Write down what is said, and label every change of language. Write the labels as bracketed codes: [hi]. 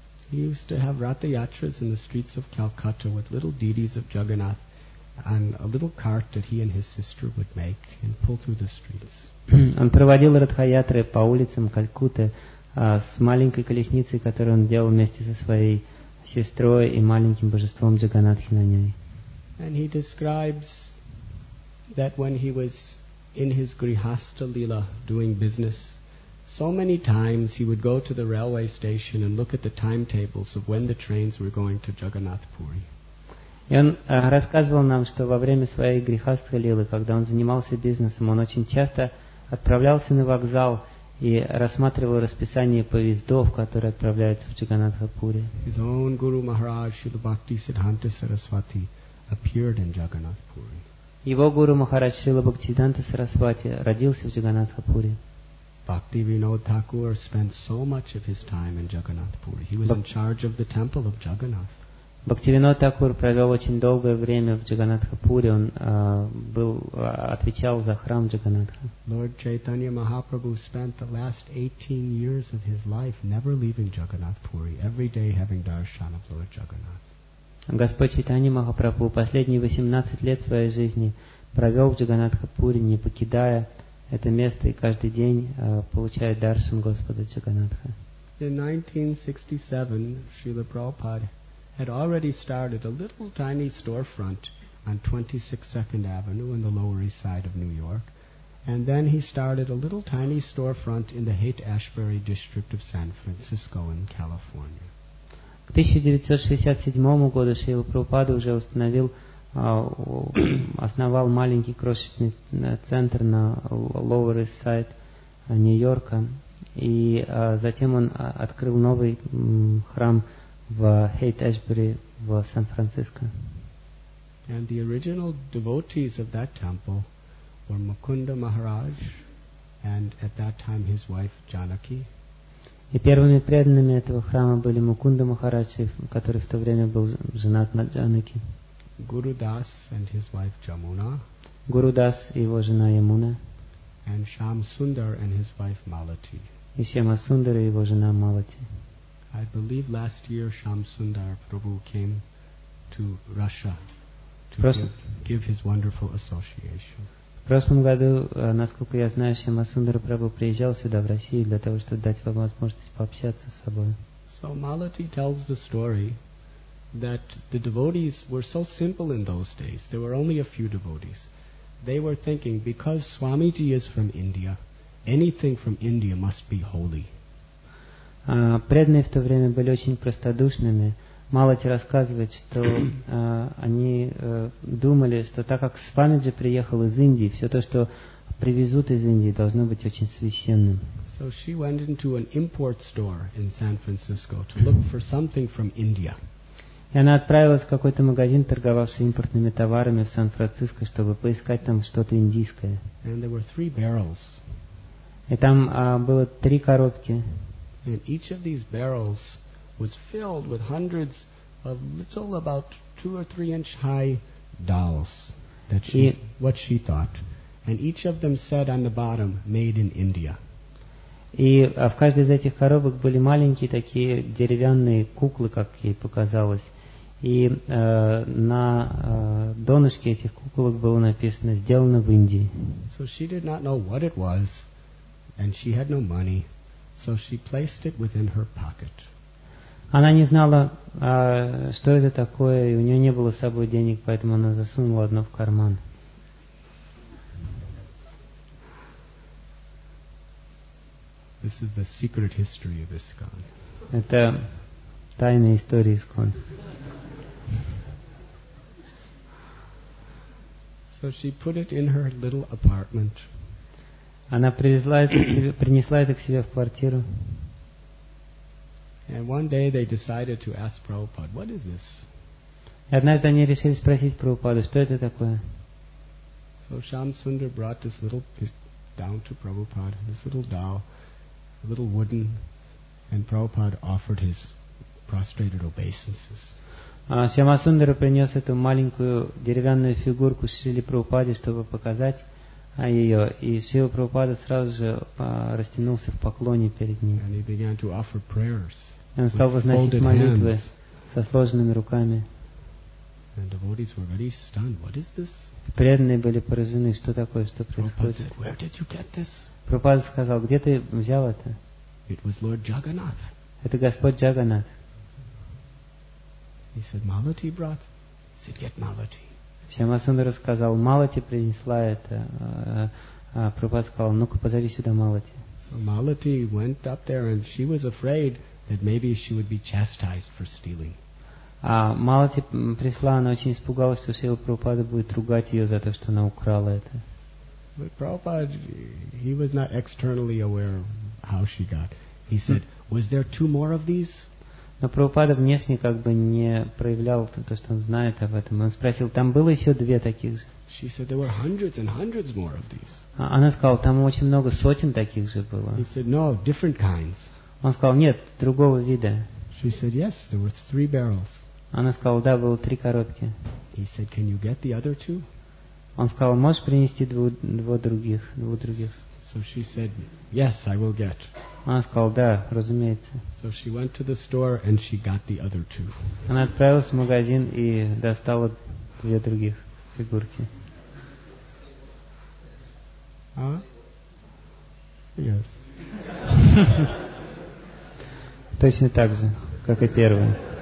[en] He used to have Ratha Yatras in the streets of Calcutta with little deities of Jagannath and a little cart that he and his sister would make and pull through the streets. [ru] Он проводил ратха-ятры по улицам Калькутты с маленькой колесницей, которую он делал вместе со своей сестрой и маленьким божеством Джаганатхи на ней. [en] And he describes that when he was in his grihastha lila doing business, so many times he would go to the railway station and look at the timetables of when the trains were going to Jagannathpuri. [ru] И он рассказывал нам, что во время своей грихастха лилы, когда он занимался бизнесом, он очень часто отправлялся на вокзал и рассматривал расписание поездов, которые отправляются в Джаганатхапури. [en] His own Guru Maharaj, Srila Bhakti Siddhanta Saraswati, appeared in Jagannathpuri. [ru] Его гуру Махарадж Шрила Бхактисиддханта Сарасвати родился в Джаганатхапури. [en] Bhakti Vinod Thakur spent so much of his time in Jagannathpuri. He was in charge of the temple of Jagannath. [ru] Бхакти Винод Такур провел очень долгое время в Джаганатхапуре. Он отвечал за храм Джаганатха. [en] Lord Chaitanya Mahaprabhu spent the last 18 years of his life never leaving Jagannathpuri, every day having darshan of Lord Jagannath. [ru] Господь Чайтанья Махапрабху последние 18 лет своей жизни провел в Джаганатхапуре, не покидая это место, и каждый день получает даршан Господа Джаганатха. [en] In 1967, Srila Prabhupada had already started a little tiny storefront on 22nd Avenue in the Lower East Side of New York, and then he started a little tiny storefront in the Haight-Ashbury district of San Francisco in California. [ru] К 1967 году Шрила Прабхупада уже установил, основал маленький крошечный центр на Lower East Side Нью-Йорка, и затем он открыл новый храм в Haight-Ashbury в Сан-Франциско. [en] And the original devotees of that temple were Mukunda Maharaj and at that time his wife Janaki. [ru] И первыми преданными этого храма были Мукунда Махараджи, который в то время был женат на Джанаки. [en] Guru Das and his wife Jamuna. [ru] Guru Das и его жена Ямуна. [en] And Shyam Sundar and his wife Malati. [ru] И Шьяма Сундар и его жена Малати. [en] I believe last year Shyam Sundar Prabhu came to Russia to give his wonderful association. [ru] В прошлом году, насколько я знаю, Шьяма Сундар Прабху приезжал сюда, в Россию, для того, чтобы дать вам возможность пообщаться с собой. [en] So Malati tells the story that the devotees were so simple in those days. There were only a few devotees. They were thinking, because Swamiji is from India, anything from India must be holy. [ru] преданные в то время были очень простодушными. Малати рассказывает, что они думали, что так как Свамиджи приехал из Индии, все то, что привезут из Индии, должно быть очень священным. [en] So she went into an import store in San Francisco to look for something from India. [ru] И она отправилась в какой-то магазин, торговавший импортными товарами в Сан-Франциско, чтобы поискать там что-то индийское. [en] And there were three barrels. [ru] И там было три коробки. [en] And each of these barrels was filled with hundreds of little, about 2 or 3 inch high dolls. What she thought. And each of them said on the bottom, made in India. [ru] И в каждой из этих коробок были маленькие такие деревянные куклы, как ей показалось. И на донышке этих куколок было написано «Сделано в Индии». [en] So she did not know what it was, and she had no money, so she placed it within her pocket. [ru] Она не знала, что это такое, и у нее не было с собой денег, поэтому она засунула одно в карман. [en] This is the secret history of ISKCON. [ru] Это тайная история ISKCON. [en] So she put it in her little apartment. [ru] Она привезла это к себе, принесла это к себе в квартиру. [en] And one day they decided to ask Prabhupada, "What is this?" [ru] И однажды они решили спросить Прабхупаду, что это такое. [en] So Shamsundar brought this little down to Prabhupada, this little doll, a little wooden, and Prabhupada offered his prostrated obeisances. [ru] Шьямасундара принес эту маленькую деревянную фигурку Шрили Прабхупаде, чтобы показать ее, и Шрила Прабхупада сразу же растянулся в поклоне перед ним. [en] And he began to offer prayers, [ru] и он стал возносить молитвы со сложенными руками. [en] And devotees were very stunned. What is this? [ru] Преданные были поражены, что такое, что происходит. [en] Said, Where did you get this? [ru] Прабхупада сказал, где ты взял это? [en] It was Lord Jagannath. [ru] Это Господь Джаганнат. [en] He said, Malati brought. He said, get Malati. [ru] Шьямасундара сказал, Малати принесла это. Прабхупада сказал, ну-ка, позови сюда Малати. [en] So Malati went up there and she was afraid that maybe she would be chastised for stealing. [ru] Малати пришла, она очень испугалась, что Шрила Прабхупада будет ругать ее за то, что она украла это. [en] But Prabhupada, he was not externally aware of how she got. He said, was there two more of these? [ru] Но Прабхупада внешне как бы не проявлял то, что он знает об этом. Он спросил, там было еще две таких же? [en] She said, there were hundreds and hundreds more of these. [ru] Она сказала, там очень много сотен таких же было. [en] He said, no, different kinds. [ru] Он сказал, нет, другого вида. [en] She said, yes, there were three barrels. [ru] Она сказала, да, было три коробки. [en] He said, can you get the other two? [ru] Он сказал, можешь принести двух других? [en] So she said, yes, I will get. [ru] Она сказала, да, разумеется. [en] So she went to the store and she got the other two. [ru] Она отправилась в магазин и достала две других фигурки. [en] А? Yes. [ru] Точно так же, как и первая.